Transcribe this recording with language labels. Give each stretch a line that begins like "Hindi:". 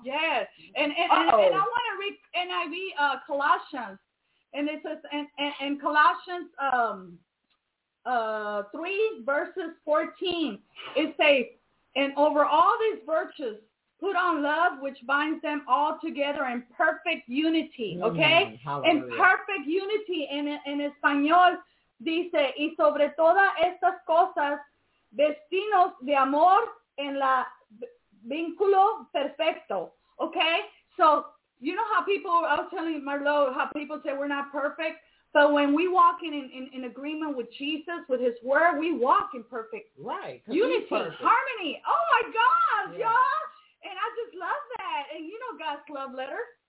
English: Yes. And I want to read NIV Colossians. And it says in Colossians 3:14, it says, and over all these virtues, put on love, which binds them all together in perfect unity. Okay? Mm, in perfect unity.
Spanish: En español dice, y sobre todas estas cosas, vestinos de amor en la vínculo perfecto.
English: Okay? So, you know how people, I was telling Marlo, how people say we're not perfect, but when we walk in agreement with Jesus, with his word, we walk in perfect right, unity, perfect. Harmony. Oh, my gosh, yeah. y'all. And I just love that. And you know God's love letter.